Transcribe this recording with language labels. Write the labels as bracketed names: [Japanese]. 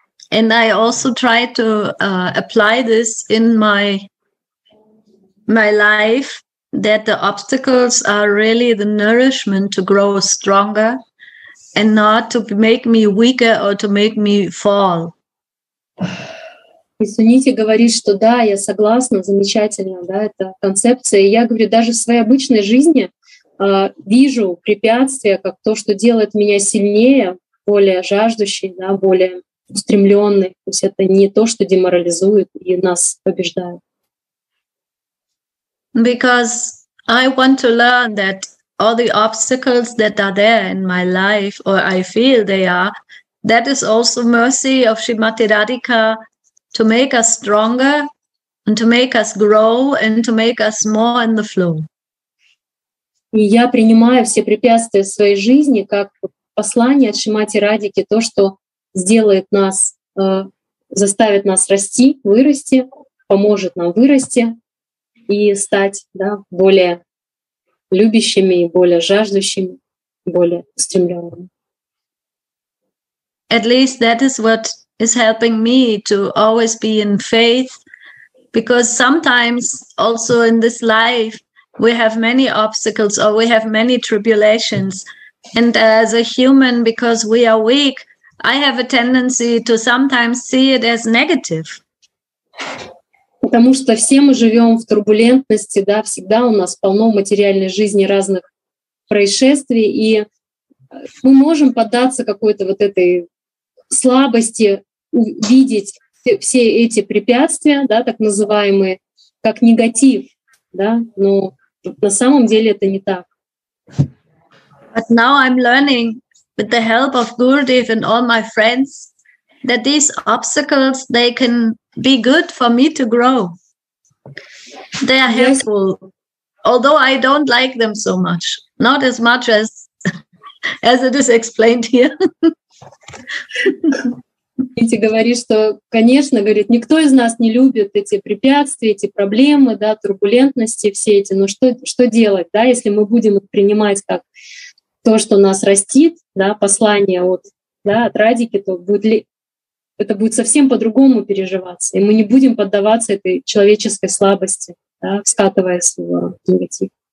[English] And I also try to apply this in my life, that the obstacles are really the nourishment to grow stronger And not to make me weaker or to make me fall. [Russian] И Суните говорит, что да, я согласна, замечательно, да, это концепция. И я говорю, даже в своей обычной жизни вижу препятствия как то, что делает меня сильнее, более жаждущей, да, более устремленной. То есть это не то, что деморализует и нас побеждает. [English] Because I want to learn that all the obstacles that are there in my life, or I feel they are, that is also mercy of Srimati Radhika to make us stronger and to make us grow and to make us more in the flow. [Russian] И я принимаю все препятствия в своей жизни как послание от Шримати Радики, то, что сделает нас, заставит нас расти, вырасти, поможет нам вырасти и стать, да, более любящими, более жаждущими, более стремленными. [English] At least that is what is helping me to always be in faith, because sometimes also in this life we have many obstacles or we have many tribulations. And as a human, because we are weak, I have a tendency to sometimes see it as negative. [Russian] Потому что все мы живем в турбулентности, да, всегда у нас полно в материальной жизни разных происшествий, и мы можем поддаться какой-то вот этой слабости, увидеть все эти препятствия, да, так называемые, как негатив, да, но на самом деле это не так. [English] But now I'm learning with the help of Gurudev and all my friends that these obstacles, they can be good for me to grow. They are helpful, although I don't like them so much, not as much as as it is explained here. [Russian] Видите, говорит, что, конечно, говорит, никто из нас не любит эти препятствия, эти проблемы, да, турбулентности все эти, но что делать, да, если мы будем их принимать как то, что нас растит, да, послание от, да, от Радики, то это будет совсем по-другому переживаться, и мы не будем поддаваться этой человеческой слабости, да, скатываясь в негатив.